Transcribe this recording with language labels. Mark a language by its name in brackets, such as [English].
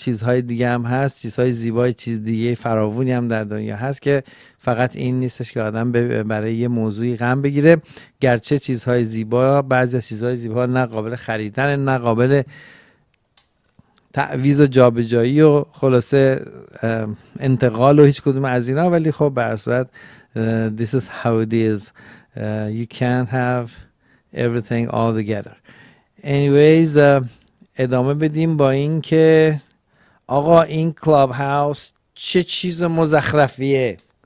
[Persian] چیزهای دیگه هم هست، چیزهای زیبای چیز دیگه فراوونی هم در دنیا هست که فقط این نیستش که آدم برای یه موضوعی غم بگیره. گرچه چیزهای زیبا، بعضی از چیزهای زیبا نه قابل خریدن، نه قابل تعویض و جابجایی و خلاصه انتقال و هیچ کدوم از اینا، ولی خب به هر صورت [English] this is how it is. You can't have everything all together. Anyways, [Persian] ادامه بدیم با این که آقا این کلاب هاوس چه چیز مزخرفیه.